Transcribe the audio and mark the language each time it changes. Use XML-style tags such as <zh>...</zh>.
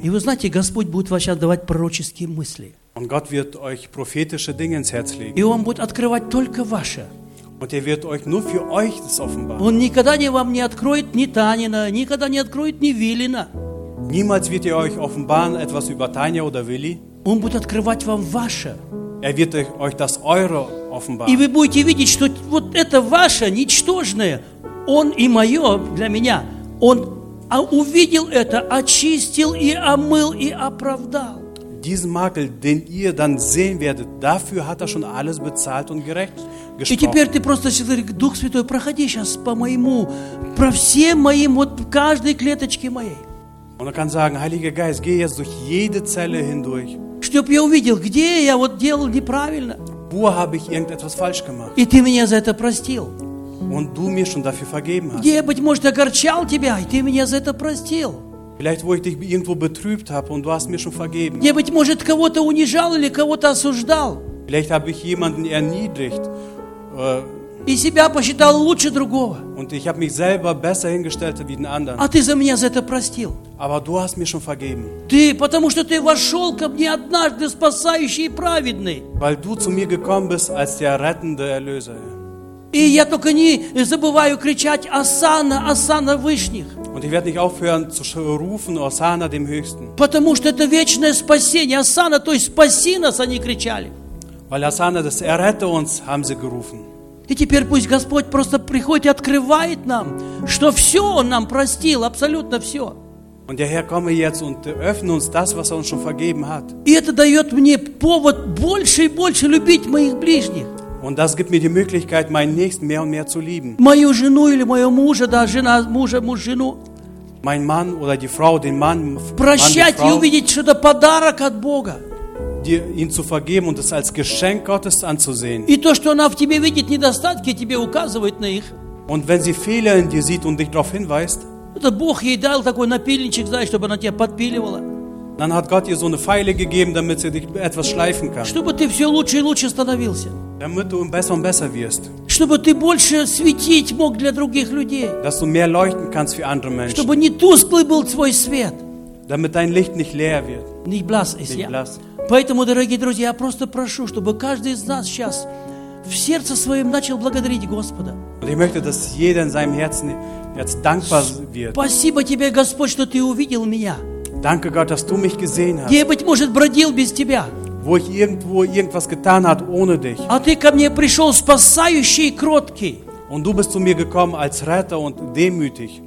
<ru>И вы знаете, Господь будет вам сейчас давать пророческие мысли.</ru> <de>Und Gott wird euch prophetische Dinge ins Herz legen.</de> <ru>И Он будет открывать только ваше.</ru> <de>Und er wird euch nur für euch das offenbaren.</de> <ru>Он никогда не вам не откроет ни Танина, никогда не откроет ни Вилина.</ru> <de>Niemals wird er euch offenbaren etwas über Tanja oder Willi.</de> <ru>Он будет открывать вам ваше.</ru> <de>Er wird euch das eure offenbaren.</de> <ru>И вы будете видеть, что вот это ваше ничтожное, он и мое для меня, он увидел это, очистил и омыл и оправдал.</ru> <de>Diesen Makel, den ihr dann sehen werdet, dafür hat er schon alles bezahlt und gerecht gesprochen.</de> <ru>И теперь ты просто говоришь, Дух Святой, проходи сейчас по моему, про всем моим, вот каждой клеточке моей.</ru> <de>Und er kann sagen, Heiliger Geist, geh jetzt durch jede Zelle hindurch.</de> <ru>Чтоб я увидел, где я вот делал неправильно.</ru> <de>Wo habe ich irgendetwas falsch gemacht?</de> <ru>И ты меня за это простил.</ru> <de>Und du mir schon dafür vergeben hast.</de> <ru>Где я, быть может, огорчал тебя, и ты меня за это простил.</ru> <de>Vielleicht, wo ich dich irgendwo betrübt habe und du hast mir schon vergeben.</de> <ru>Где, быть может, кого-то унижал или кого-то осуждал.</ru> <de>Vielleicht habe ich jemanden erniedrigt.</de> <ru>И себя посчитал лучше другого.</ru> <de>Und ich habe mich selber besser hingestellt wie den anderen.</de> <ru>А ты за меня за это простил.</ru> <de>Aber du hast mir schon vergeben.</de> <ru>Ты, потому что ты вошел ко мне однажды спасающий и праведный.</ru> <de>Weil du zu mir gekommen bist als der rettende Erlöser.</de> <ru>И я только не забываю кричать «Осана, Осана Вышних».</ru> <de>Und ich werde nicht aufhören zu rufen «Осана, dem Höchsten».</de> <ru>Потому что это вечное спасение. «Осана», то есть «Спаси нас», они кричали.</ru> <de>Weil «Осана», das «Errette uns», haben sie gerufen.</de> <ru>И теперь пусть Господь просто приходит и открывает нам, что все Он нам простил, абсолютно все.</ru> <de>Und der Herr komme jetzt und öffne uns das, was er uns schon vergeben hat.</de> <ru>И это дает мне повод больше и больше любить моих ближних.</ru> <de>Und das gibt mir die Möglichkeit, meinen Nächsten mehr und mehr zu lieben.</de> <ru>Мою жену или моего мужа, да, жена, мужа, муж, жену.</ru> <de>Mein Mann oder die Frau, den Mann,</de> <ru>прощать и увидеть, что это подарок от Бога.</ru> <de>Ihn zu vergeben und es als Geschenk Gottes anzusehen.</de> <ru>И то, что она в тебе видит недостатки, тебе указывает на их.</ru> <de>Und wenn sie Fehler in dir sieht und dich darauf hinweist,</de> <ru>это Бог ей дал такой напильничек, знаешь, чтобы она тебя подпиливала.</ru> <de>Dann hat Gott ihr so eine Feile gegeben, damit sie dich etwas schleifen kann.</de> <ru>Чтобы ты все лучше и лучше становился.</ru> <de>Damit du besser und besser wirst.</de> <ru>Чтобы ты больше светить мог для других людей.</ru> <de>Dass du mehr leuchten kannst für andere Menschen.</de> <ru>Чтобы не тусклый был твой свет.</ru> <de>Damit dein Licht nicht leer wird. Nicht blass ist ja.</de> <ru>Поэтому, дорогие друзья, я просто прошу, чтобы каждый из нас сейчас в сердце своем начал благодарить Господа.</ru> <de>Und ich möchte, dass jeder in seinem Herzen jetzt dankbar wird.</de> <ru>Спасибо тебе, Господь, что ты увидел меня.</ru> <de>Danke Gott, dass du mich gesehen hast.</de> <ru>Где быть может бродил без тебя?</ru> <de>Wo ich irgendwo irgendwas getan hat ohne dich.</de> <ru>А ты ко мне пришел спасающий и кроткий.</ru> <de>Und du bist zu mir gekommen als Retter und demütig.</de>